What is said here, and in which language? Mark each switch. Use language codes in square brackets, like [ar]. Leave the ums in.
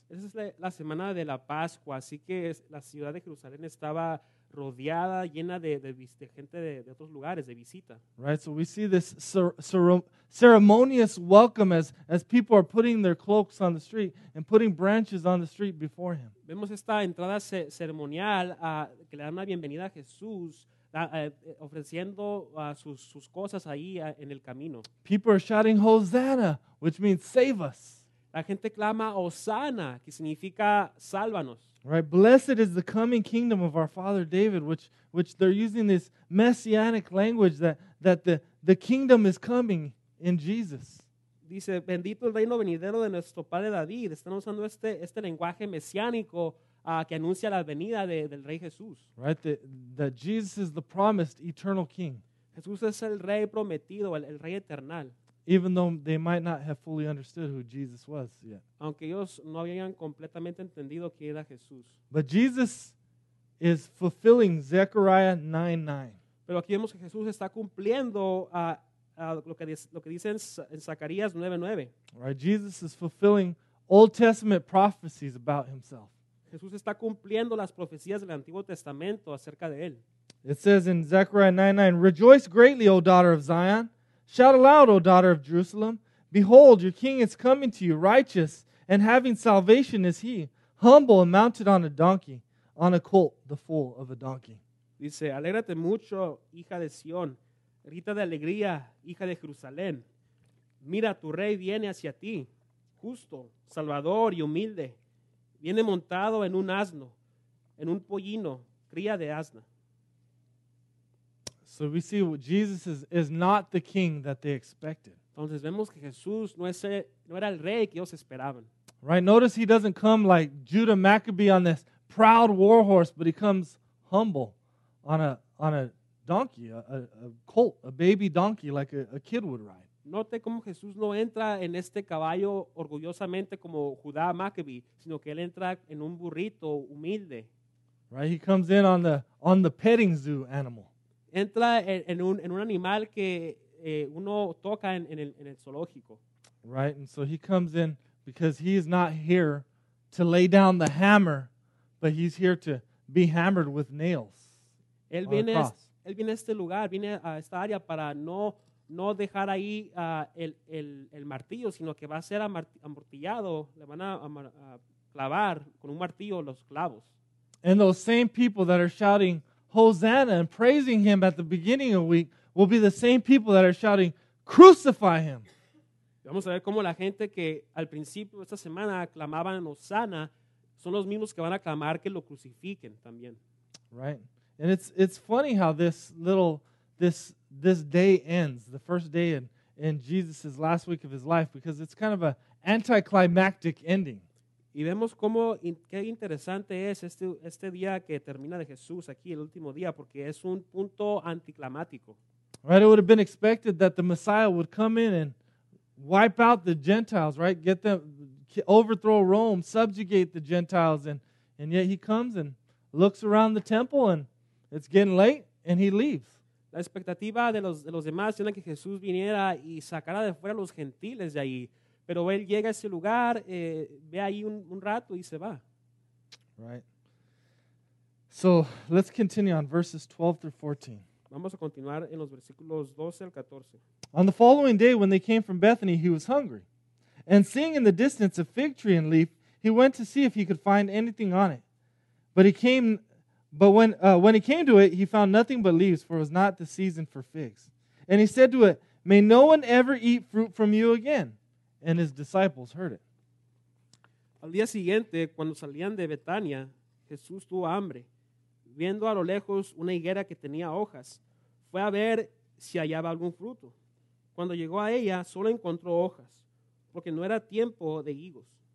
[en] This is [es] la semana de la Pascua, así que la ciudad de Jerusalén estaba rodeada, llena de gente de otros lugares, de visita. [en] Right, so we see this cer- ceremonious welcome as, as people are putting their cloaks on the street and putting branches on the street before him. [es] Vemos esta entrada ceremonial que le dan la bienvenida Jesús. La, uh, ofreciendo uh, sus, sus cosas ahí uh, en el camino. [en] People are shouting Hosanna, which means save us. [es] La gente clama Hosanna, que significa sálvanos. [en] Right, blessed is the coming kingdom of our father David, which, which they're using this messianic language that, that the, the kingdom is coming in Jesus. [es] Dice, bendito el reino venidero de nuestro padre David. Están usando este, este lenguaje mesiánico uh, que anuncia la venida de, del rey Jesús. [en] Right, the, the Jesus is the promised eternal king. [es] Jesús es el rey prometido, el, el rey [en] eternal. Even though they might not have fully understood who Jesus was yet. [es] Aunque ellos no habían completamente entendido quién era Jesús. [en] But Jesus is fulfilling Zechariah 9:9. [es] Pero aquí vemos que Jesús está cumpliendo a uh, uh, lo que dice, lo que dicen en, en Zacarías 9:9. [en] Right, Jesus is fulfilling Old Testament prophecies about himself. [es] Jesús está cumpliendo las profecías del Antiguo Testamento acerca de él. [en] It says in Zechariah 9:9, "Rejoice greatly, O daughter of Zion; shout aloud, O daughter of Jerusalem; behold, your king is coming to you, righteous and having salvation is he, humble and mounted on a donkey, on a colt, the foal of a donkey." [es] Dice, "Alégrate mucho, hija de Sion; grita de alegría, hija de Jerusalén. Mira, tu rey viene hacia ti, justo, salvador y humilde." viene montado en un asno, en un pollino, cría de asna. [en] So we see Jesus is, is not the king that they expected. [es] Entonces vemos que Jesús no, es, no era el rey que [en] Right, notice he doesn't come like Judah Maccabee on this proud warhorse, but he comes humble on a, on a donkey, a, a, a colt, a baby donkey like a, a kid would ride. [es] Note cómo Jesús no entra en este caballo orgullosamente como Judá Maccabe, sino que él entra en un burrito humilde. [en] Right, he comes in on the on the petting zoo animal. [es] Entra en, en un en un animal que eh, uno toca en, en, el, en el zoológico. [en] Right, and so he comes in because he is not here to lay down the hammer, but he's here to be hammered with nails. [es] Él viene, a es, él viene a este lugar, viene a esta área para no no dejar ahí uh, el, el, el, martillo, sino que va a ser amortillado, le van a, a, a clavar con un martillo los clavos. Y los [en] same people that are shouting Hosanna and praising him at the beginning of the week will be the same people that are shouting Crucify him. [es] Vamos a ver cómo la gente que al principio de esta semana aclamaban Hosanna son los mismos que van a clamar que lo crucifiquen también. [en] Right. And it's, it's funny how this little, this, this day ends, the first day in, in Jesus' last week of his life, because it's kind of an anticlimactic ending. [es] Y vemos cómo qué interesante es este, este día que termina de Jesús aquí el último día porque es un punto anticlimático. [en] Right, it would have been expected that the Messiah would come in and wipe out the Gentiles, right? Get them, overthrow Rome, subjugate the Gentiles, and and yet he comes and looks around the temple and it's getting late and he leaves [es] la expectativa de los, de los demás era que Jesús viniera y sacara de fuera a los gentiles de ahí. Pero él llega a ese lugar, eh, ve ahí un, un rato y se va. [en] Right. So let's continue on verses 12 through 14. [es] Vamos a continuar en los versículos 12 al 14. [en] On the following day, when they came from Bethany, he was hungry. And seeing in the distance a fig tree and leaf, he went to see if he could find anything on it. But he came. But when, uh, when he came to it, he found nothing but leaves, for it was not the season for figs. And he said to it, May no one ever eat fruit from you again. And his disciples heard it. Al [es] día siguiente, cuando salían de Betania, Jesús tuvo hambre. Viendo a lo lejos una higuera que tenía hojas, fue a ver si hallaba algún fruto. Cuando llegó a ella, solo encontró hojas, porque no era tiempo de higos.